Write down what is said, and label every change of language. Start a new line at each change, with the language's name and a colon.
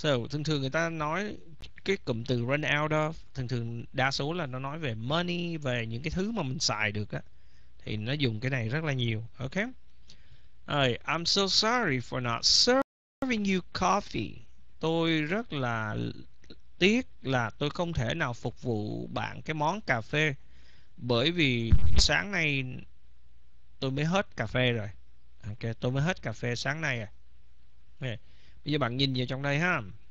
Vietnamese: Thường thường người ta nói cái cụm từ run out of, thường thường đa số là nó nói về money, về những cái thứ mà mình xài được á, thì nó dùng cái này rất là nhiều, okay?
English: I'm so sorry for not serving you coffee.
Vietnamese: Tôi rất là tiếc là tôi không thể nào phục vụ bạn cái món cà phê. Bởi vì sáng nay tôi mới hết cà phê rồi. Ok, tôi mới hết cà phê sáng nay à. Okay. Bây giờ bạn nhìn vào trong đây ha.